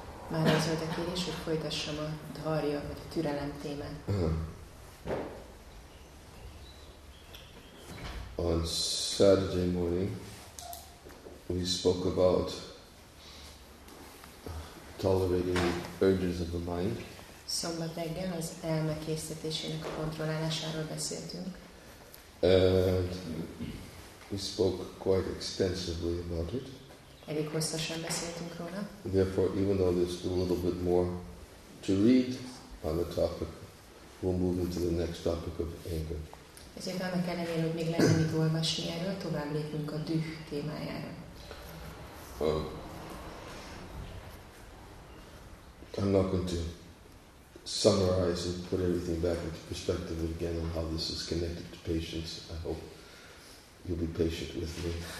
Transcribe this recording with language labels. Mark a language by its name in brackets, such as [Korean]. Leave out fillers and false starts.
[Hungarian] Már az volt a kérés, hogy folytassam a dharya, vagy a türelem témát. [English] On Saturday morning, we spoke about tolerating the urges of the mind. [Hungarian] Szombat reggel az elme késztetésének a kontrollálásáról beszéltünk. [English] And we spoke quite extensively about it. [Hungarian] Elég hosszasan beszéltünk róla. [English] Therefore, even though there's a little bit more to read on the topic, we'll move into the next topic of anger. [Hungarian] Ezért annak ellenére, hogy még lenne mit olvasni erről, tovább lépünk a düh témájára. [English] I'm not going to summarize and put everything back into perspective again on how this is connected to patience. I hope you'll be patient with me.